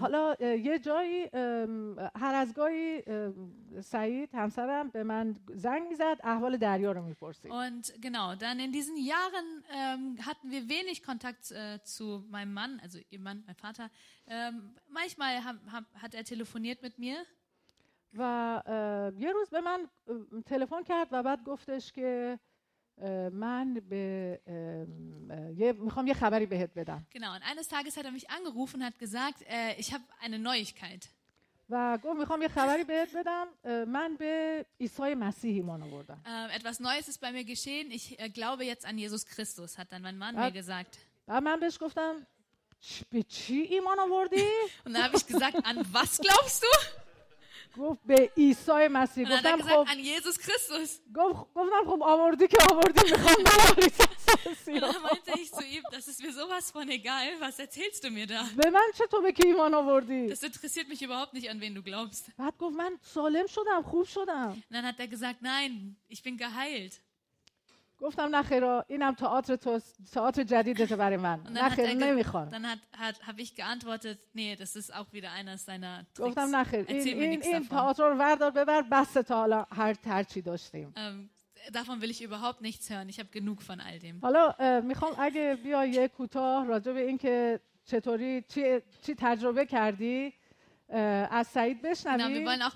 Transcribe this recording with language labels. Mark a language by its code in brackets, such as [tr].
[fa] حالا یه جایی هر از گاهی سعید همسرم به من زنگ می‌زد احوال دریا رو می‌پرسید. [de] Und genau, dann in diesen Jahren hatten wir wenig Kontakt zu meinem Mann, also ihr Mann, mein Vater. Manchmal hat er telefoniert mit mir. [fa] و یه روز به من تلفن کرد و بعد گفتش که من به یه میخوام یه خبری بهت بدم. [de] Genau, und eines Tages hat er mich angerufen und hat gesagt, ich habe eine Neuigkeit. [fa] و گفت میخوام یه خبری بهت بدم. من به عیسی مسیح ایمان آوردم. [de] Etwas Neues ist bei mir geschehen. Ich glaube jetzt an Jesus Christus, hat dann mein Mann mir gesagt. [fa] بعد من بهش گفتم به چی ایمان آوردی؟ [de] Und dann habe ich gesagt, an was glaubst du? [fa] گفت به عیسی مسیح. گفتم خب [de] an Jesus Christus. [fa] گفتم خب آوردی که آوردی، میخوام به عیسی مسیح. [de] Und dann meinte ich zu ihm, das ist mir sowas von egal, was erzählst du mir da? [fa] به من چه تو به کی ایمان آوردی؟ [de] Das interessiert mich überhaupt nicht, an wen du glaubst. [fa] بعد گفت من سالم شدم، خوب شدم. [de] Und dann hat er gesagt, nein, ich bin geheilt. [fa] گفتم نه خیر، اینم تئاتر تو، تئاتر جدیدت برای من. نه خیر نمیخوام. [de] Dann hat habe ich geantwortet, nee, das ist auch wieder einer seiner Tricks. [fa] گفتم نه خیر، این تئاتر رو وردار ببر، بس تا حالا هر چی داشتیم. [de] Davon will ich überhaupt nichts hören. Ich habe genug von all dem. [fa] حالا میخوام اگه بیای یه کوتاه راجع به اینکه چطوری چی تجربه کردی از سعید بشنوید